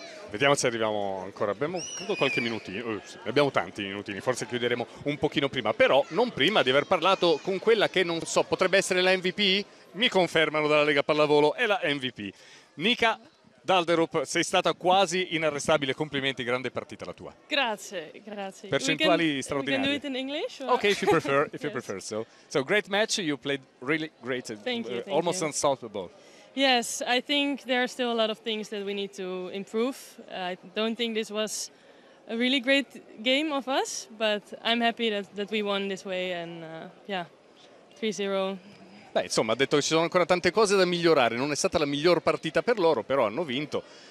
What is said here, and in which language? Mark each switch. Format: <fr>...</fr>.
<it>Vediamo se arriviamo ancora, abbiamo credo qualche minutino, abbiamo tanti minutini, forse chiuderemo un pochino prima, però non prima di aver parlato con quella che non so, potrebbe essere la MVP, mi confermano dalla Lega Pallavolo, è la MVP. Nika Dalderup, sei stata quasi inarrestabile, complimenti, grande partita la tua. Grazie, grazie. Percentuali straordinarie.</it> <en>We can do it in English? Or? Okay, if you prefer. So great match, you played really great, thank you. Unstoppable. Yes, I think there are still a lot of things that we need to improve. I don't think this was a really great game of us, but I'm happy that we won this way and 3-0.</en> <it>Beh, insomma, ha detto che ci sono ancora tante cose da migliorare, non è stata la miglior partita per loro, però hanno vinto.</it>